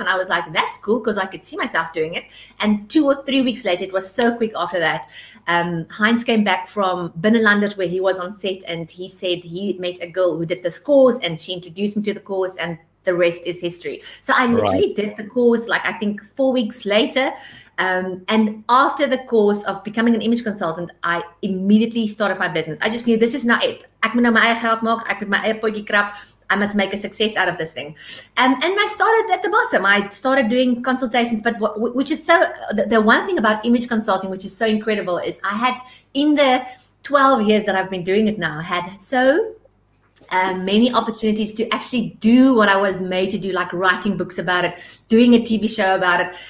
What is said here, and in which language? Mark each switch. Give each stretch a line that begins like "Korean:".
English: And I was like, that's cool, because I could see myself doing it. And 2 or 3 weeks later, it was so quick after that, Heinz came back from Binnenlandet where he was on set, and he said he met a girl who did this course, and she introduced me to the course, and the rest is history. So I literally did the course, like I think 4 weeks later. And after the course of becoming an image consultant, I immediately started my business. I just knew this is not it.
Afrikaans: Ek moet nou my eie geld maak. Ek moet my eie potjie krap.
English: I must make a success out of this thing. And I started at the bottom. I started doing consultations, but which is so, the one thing about image consulting, which is so incredible, is I had in the 12 years that I've been doing it now, had so many opportunities to actually do what I was made to do, like writing books about it, doing a TV show about it.